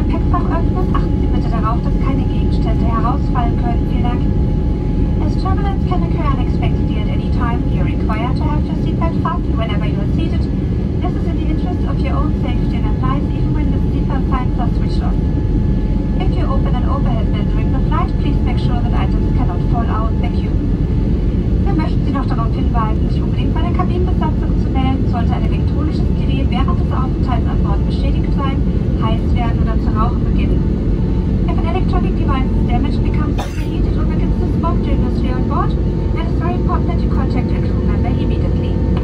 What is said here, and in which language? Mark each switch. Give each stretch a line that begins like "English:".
German: Beim Öffnen achten Sie bitte darauf, dass keine Gegenstände herausfallen können. Vielen Dank.
English: As turbulence can occur unexpectedly at any time, you're required to have your seatbelt fastened whenever you are seated. This is in the interest of your own safety and applies even when the seatbelt signs are switched off. If you open an overhead bin during the flight, please make sure that items cannot fall out. Thank you.
German: Wir möchten Sie noch darauf hinweisen, sich unbedingt bei der Kabinenbesatzung zu melden, sollte ein elektronisches Gerät während des Aufenthalts an Bord beschädigt sein, heiß werden oder zu rauchen beginnen.
English: If an electronic device is damaged, becomes overheated or begins to smoke during the stay on board, it is very important that you contact a crew member immediately.